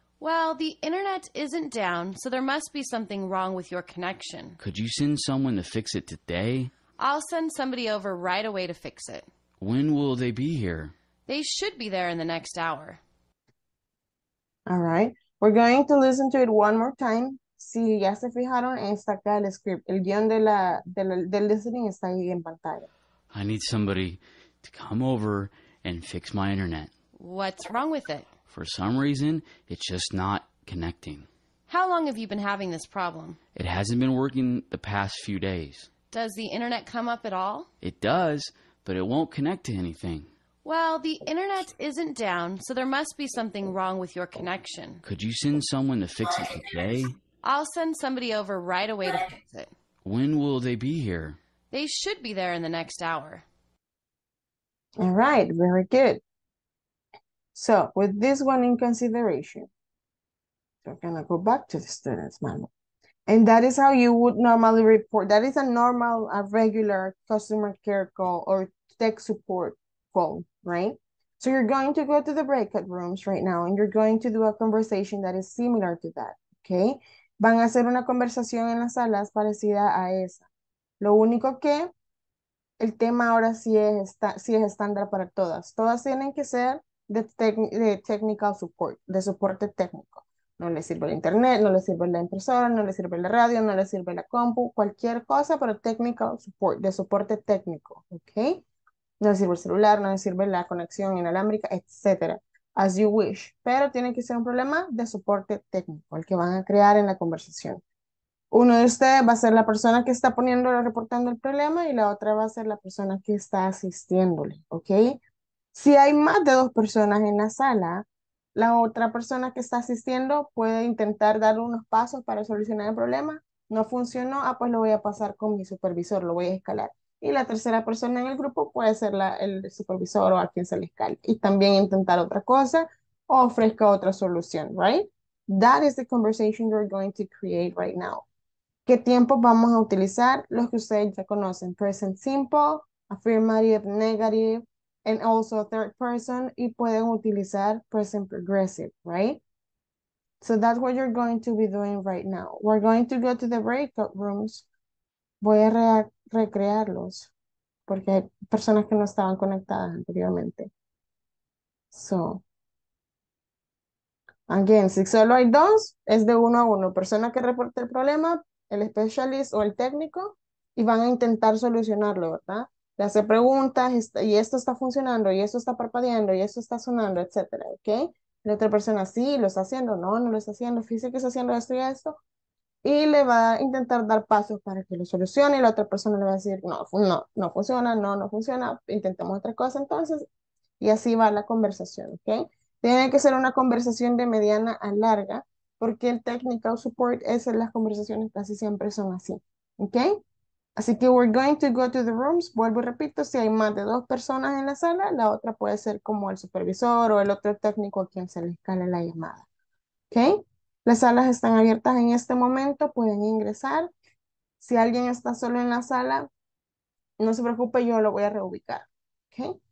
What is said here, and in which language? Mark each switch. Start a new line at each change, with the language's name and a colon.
English: Well, the internet isn't down, so there must be something wrong with your connection. Could you send someone to fix it today? I'll send somebody over right away to fix it. When will they be here? They should be there in the next hour. All right. We're going to listen to it one more time.
Spanish: Sí, ya se fijaron, está acá el script. El guión del listening está ahí en pantalla.
English: I need somebody to come over and fix my internet. What's wrong with it? For some reason, it's just not connecting. How long have you been having this problem? It hasn't been working the past few days. Does the internet come up at all? It does, but it won't connect to anything. Well, the internet isn't down, so there must be something wrong with your connection. Could you send someone to fix it today? I'll send somebody over right away to fix it. When will they be here? They should be there in the next hour. All right, very good. So, with this one in consideration, we're going to go back to the student's manual. And that is how you would normally report. That is a normal, a regular customer care call or tech support call, right? So you're going to go to the breakout rooms right now and you're going to do a conversation that is similar to that, okay?
Spanish: Van a hacer una conversación en las salas parecida a esa. Lo único que el tema ahora sí es estándar para todas. Todas tienen que ser de technical support, de soporte técnico. No le sirve el internet, no le sirve la impresora, no le sirve la radio, no le sirve la compu, cualquier cosa, pero technical support, de soporte técnico, ¿ok? No le sirve el celular, no le sirve la conexión inalámbrica, etc.
English: As you wish.
Spanish: Pero tiene que ser un problema de soporte técnico, el que van a crear en la conversación. Uno de ustedes va a ser la persona que está poniendo o reportando el problema y la otra va a ser la persona que está asistiéndole, ¿ok? Si hay más de dos personas en la sala, la otra persona que está asistiendo puede intentar dar unos pasos para solucionar el problema. No funcionó, ah, pues lo voy a pasar con mi supervisor, lo voy a escalar. Y la tercera persona en el grupo puede ser el supervisor o a quien se le escale. Y también intentar otra cosa o ofrezca otra solución, right?
English: That is the conversation you're going to create right now.
Spanish: ¿Qué tiempo vamos a utilizar? Los que ustedes ya conocen. Present simple, affirmative, negative.
English: And also third person,
Spanish: y pueden utilizar
English: present progressive, right? So that's what you're going to be doing right now. We're going to go to the breakout rooms.
Spanish: Voy a recrearlos, porque hay personas que no estaban conectadas anteriormente.
English: So, again,
Spanish: si solo hay dos, es de uno a uno. Persona que reporte el problema, el specialist o el técnico, y van a intentar solucionarlo, ¿verdad? Le hace preguntas, y esto está funcionando, y esto está parpadeando, y esto está sonando, etcétera, ¿ok? La otra persona, sí, lo está haciendo, no lo está haciendo, fíjese que está haciendo esto y esto, y le va a intentar dar pasos para que lo solucione, y la otra persona le va a decir, no funciona, no funciona, intentemos otra cosa entonces, y así va la conversación, ¿ok? Tiene que ser una conversación de mediana a larga, porque el technical support, esas las conversaciones casi siempre son así, ¿ok? Así que
English: we're going to go to the rooms.
Spanish: Vuelvo y repito, si hay más de dos personas en la sala, la otra puede ser como el supervisor o el otro técnico a quien se le escale la llamada. ¿Ok? Las salas están abiertas en este momento, pueden ingresar. Si alguien está solo en la sala, no se preocupe, yo lo voy a reubicar. ¿Ok?